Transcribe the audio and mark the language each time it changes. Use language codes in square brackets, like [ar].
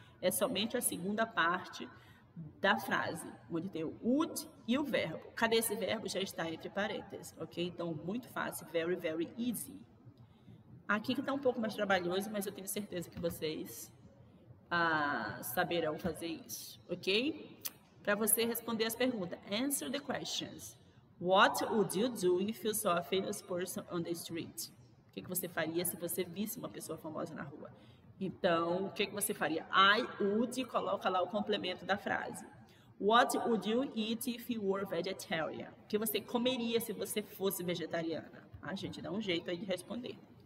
[pt] É somente a segunda parte da frase, onde tem o would e o verbo. Cadê esse verbo? Já está entre parênteses, ok? Então muito fácil, [en] very, very easy. [pt] Aqui que está um pouco mais trabalhoso, mas eu tenho certeza que vocês saberão fazer isso, ok? Para você responder as perguntas, [en] answer the questions. What would you do if you saw a famous person on the street? [pt] O que que você faria se você visse uma pessoa famosa na rua? Então, o que que você faria? [en] I would, [pt] coloca lá o complemento da frase. [en] What would you eat if you were vegetarian? [pt] O que você comeria se você fosse vegetariana? A gente dá um jeito aí de responder.